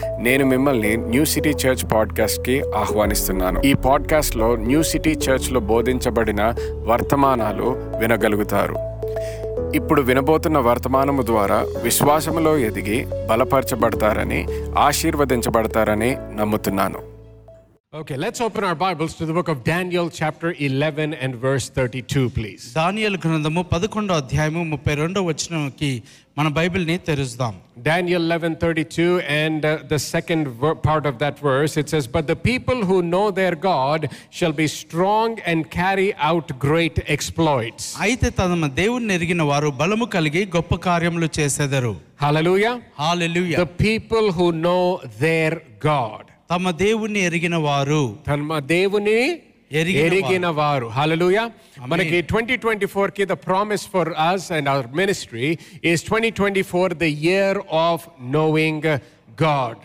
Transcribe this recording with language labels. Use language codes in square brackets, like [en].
[te] నేను మిమ్మల్ని new city church పాడ్కాస్ట్కి ఆహ్వానిస్తున్నాను. ఈ పాడ్కాస్ట్లో న్యూ సిటీ చర్చ్లో బోధించబడిన వర్తమానాలు వినగలుగుతారు. ఇప్పుడు వినబోతున్న వర్తమానము ద్వారా విశ్వాసములో ఎదిగి బలపరచబడతారని, ఆశీర్వదించబడతారని నమ్ముతున్నాను. [en] Okay, let's open our Bibles to the book of Daniel chapter 11 and verse 32, please. [te] Daniel గ్రంథము 11వ అధ్యాయము 32వ వచనానికి మన బైబిల్ ని తెరుద్దాం. [en] Daniel 11:32 and the second part of that verse, it says, but the people who know their God shall be strong and carry out great exploits. [te] అయితే తమ దేవుణ్ణి ఎరిగిన వారు బలము కలిగి గొప్ప కార్యములు చేసెదరు. Hallelujah. Hallelujah. [en] The people who know their God, [te] తమ దేవుని ఎరిగిన వారు, తమ దేవుని ఎరిగిన వారు. హల్లెలూయా. మనకి 2024 కి [en] The promise for us and our ministry is 2024 the year of knowing God.